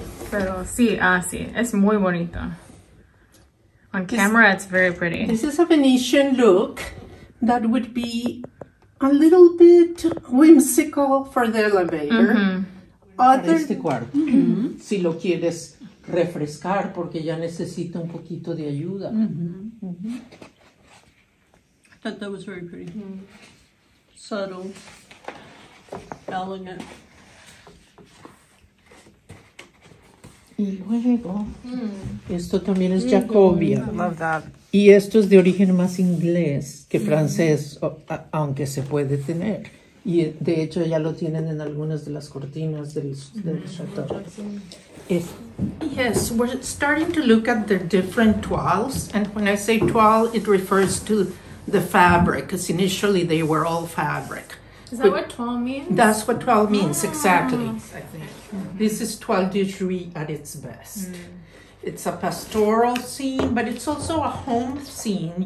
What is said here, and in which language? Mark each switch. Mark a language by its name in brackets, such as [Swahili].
[Spanish] Pero sí, sí, es muy bonito. [English] On camera, it's very pretty. This is a Venetian look that would be a little bit whimsical for the elevator. [Spanish] Si lo quieres refrescar, porque ya necesita un poquito de ayuda. [English] I thought that was very pretty. Subtle, elegant. [Spanish] Y luego, esto también es Jacobia. [English] Love that. [Spanish] Y esto es de origen más inglés que francés, aunque se puede tener. Y de hecho ya lo tienen en algunas de las cortinas del chateau. [English] Yes, we're starting to look at the different toiles. And when I say toile, it refers to the fabric, because initially they were all fabric. Is that but what toile means? That's what toile means, exactly. I think. This is toile de Jouy at its best. Mm. It's a pastoral scene, but it's also a home scene.